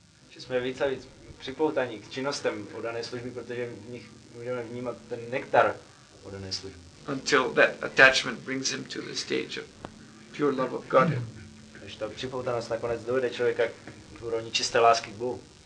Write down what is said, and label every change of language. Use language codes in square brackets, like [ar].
[cs] Že jsme více a víc připoutaní k činnostem o dané služby, protože v nich můžeme vnímat ten nektar o dané služby. [en] Until that attachment brings him to the stage of pure love of Godhead. [cs] Až ta připoutanost nakonec dovede člověka k úrovni čisté lásky k Bohu.